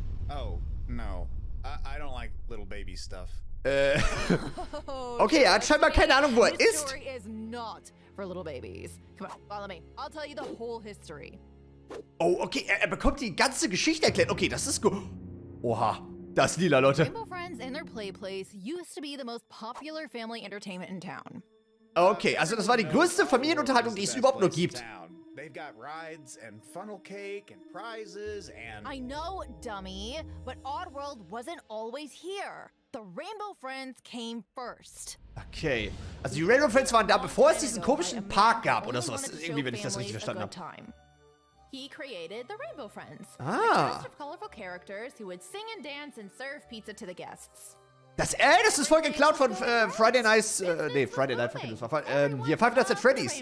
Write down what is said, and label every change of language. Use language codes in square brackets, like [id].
[en] Oh, no. I don't like little baby stuff. [de] Okay, er hat scheinbar keine Ahnung, wo er ist. [en] This story is not for little babies. Come on, follow me. I'll tell you the whole history. [de] Oh, okay, er bekommt die ganze Geschichte erklärt. Okay, das ist gut. Oha, das lila, Leute. [en] Rainbow Friends in their play place used to be the most popular family entertainment in town. [de] Okay, also das war die größte Familienunterhaltung, die es überhaupt nur gibt. [en] They've got rides and funnel cake and prizes and... I know, dummy, but Oddworld wasn't always here. The Rainbow Friends came first. Okay. [de] Also die Rainbow Friends waren da, bevor es diesen komischen Park gab oder sowas. Irgendwie, wenn ich das richtig verstanden habe. [en] He created the Rainbow Friends. Ah. A cast of colorful characters who would sing and dance and serve pizza to the guests. [de] Das ist voll geklaut von Friday Nights, Friday Night Funkin', das war hier Five Nights at Freddy's.